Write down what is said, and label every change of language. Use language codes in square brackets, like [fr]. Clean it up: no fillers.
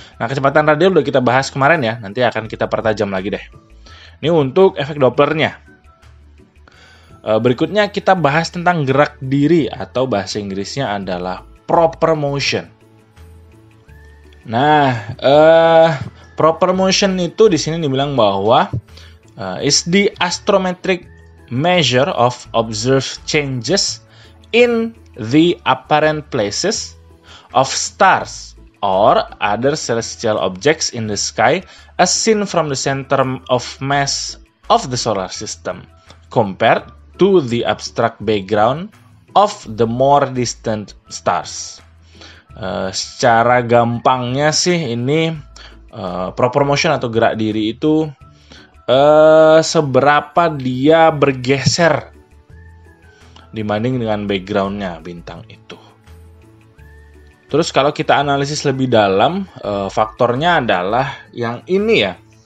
[id] Nah, kecepatan radial udah kita bahas kemarin ya, nanti akan kita pertajam lagi deh. Ini untuk efek Doppler-nya. Berikutnya kita bahas tentang gerak diri atau bahasa Inggrisnya adalah proper motion. Nah, Proper motion itu di sini dibilang bahwa [en] is the astrometric measure of observed changes in the apparent places of stars or other celestial objects in the sky as seen from the center of mass of the solar system compared to the abstract background of the more distant stars. [id] Secara gampangnya sih ini proper motion atau gerak diri itu seberapa dia bergeser dibanding dengan backgroundnya bintang itu. Terus kalau kita analisis lebih dalam, faktornya adalah yang ini ya.